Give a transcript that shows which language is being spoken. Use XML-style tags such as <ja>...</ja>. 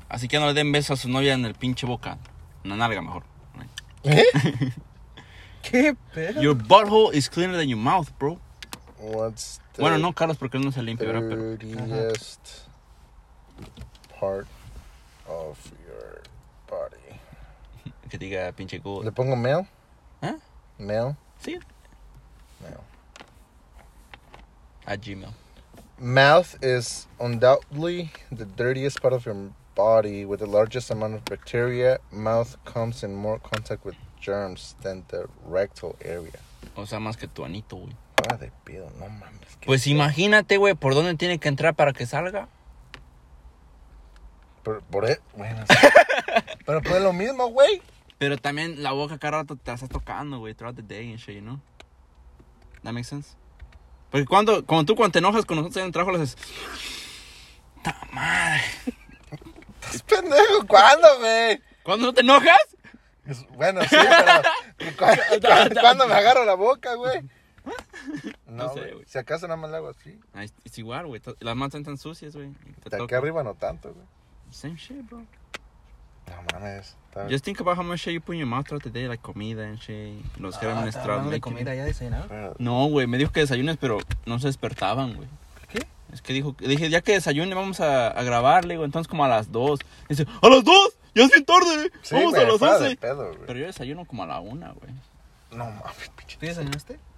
<es>Así que no le den besos a su novia en el pinche boca. Una nalga mejor. ¿Qué? ¿Qué pedo?</es> <en>Your butthole is cleaner than your mouth, bro. What's the</en> <es>bueno, no, Carlos, porque él no se limpia, ¿verdad? Pero</es> <en>dirtiest part of your body.</en> <es>Que diga pinche culo. ¿Le pongo mail? ¿Eh? ¿Mail? Sí. Mail.</es> <en>At Gmail. Mouth is undoubtedly the dirtiest part of your body with the largest amount of bacteria. Mouth comes in more contact with germs than the rectal area.</en> <es>O sea, más que tu anito, güey. Ah, de pedo, no mames. Pues pedo. Imagínate, güey, por dónde tiene que entrar para que salga. Pero, por eso, bueno. Sí. Pero pues lo mismo, güey. Pero también la boca cada rato te estás tocando, güey,</es> <en>throughout the day and shit, you know? That makes sense?</en> <es>Porque cuando te enojas con nosotros en el trabajo, lo haces. ¡Ta madre! ¿Estás pendejo? ¿Cuándo, güey? ¿Cuándo no te enojas? Pues, bueno, sí, pero. ¿Cuándo me agarro la boca, güey? No sé, güey. Si acaso nada más le hago así. Es igual, güey. Las manos están sucias, güey. De aquí arriba no tanto, güey.</es> <en>Same shit, bro.</en> <es>No mames.</es> <en>Just think about how much shit you put in your mouth throughout the day, like comida and shit.</en> <es>Los que eran en estrado. ¿No de comida ya desayunaron? No, güey, me dijo que desayunes, pero no se despertaban, güey. ¿Qué? Es que dije, ya que desayune, vamos a grabar, le digo, entonces como a las 2. Dice, ¡a las 2! ¡Ya es bien tarde! Sí, ¡vamos wey, a las 11! Pedo, pero yo desayuno como a la 1, güey. No mames, pinche. ¿Tú desayunaste?</es>